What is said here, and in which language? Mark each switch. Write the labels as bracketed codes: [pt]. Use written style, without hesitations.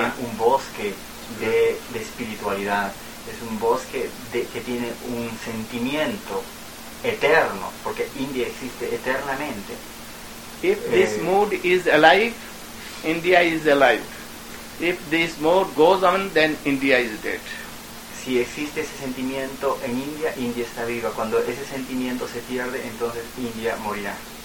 [es] bien un bosque de espiritualidad, es un bosque que tiene un sentimiento eterno, porque India existe eternamente. [en] If this mood is alive, India is alive. If this mood goes on, then India is dead. [es] Si existe ese sentimiento en India, India está viva. Cuando ese sentimiento se pierde, entonces India morirá.